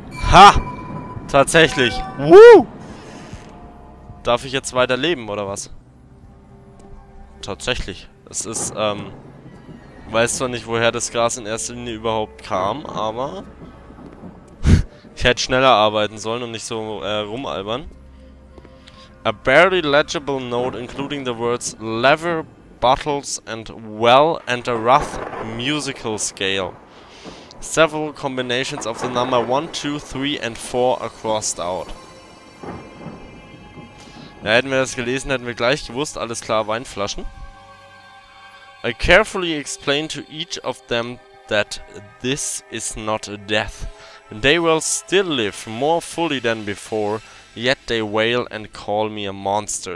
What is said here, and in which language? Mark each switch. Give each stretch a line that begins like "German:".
German: Ha! Tatsächlich! Woo! Darf ich jetzt weiter leben, oder was? Tatsächlich. Es ist, weiß zwar nicht, woher das Gras in erster Linie überhaupt kam, aber... ich hätte schneller arbeiten sollen und nicht so, rumalbern.
English: A barely legible note including the words lever, bottles and well and a rough musical scale. Several combinations of the number 1, 2, 3 and 4 are crossed out.
German: Ja, hätten wir das gelesen, hätten wir gleich gewusst, alles klar, Weinflaschen.
English: I carefully explained to each of them that this is not a death. They will still live more fully than before, yet they wail and call me a monster.